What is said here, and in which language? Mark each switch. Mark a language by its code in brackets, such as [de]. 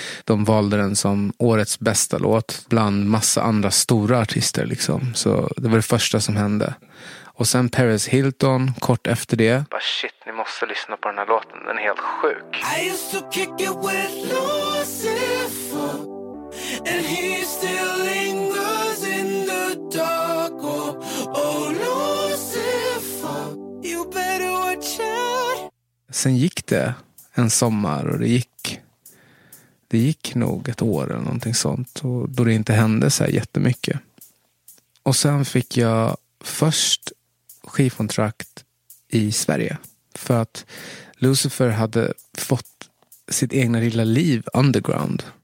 [sv] De valde den som årets bästa låt bland massa andra stora artister liksom. Så det var det första som hände. Och sen Paris Hilton kort efter det. Bara shit, ni måste lyssna på den här låten, den är helt sjuk. [en] I used to kick it with Lucifer, and he still lingers in the dark. Oh Lucifer, you better watch out. [sv] Sen gick det en sommar, och det gick nog ett år eller någonting sånt, och då det inte hände så här jättemycket. Och sen fick jag först skivkontrakt i Sverige, för att Lucifer hade fått sitt egna lilla liv underground.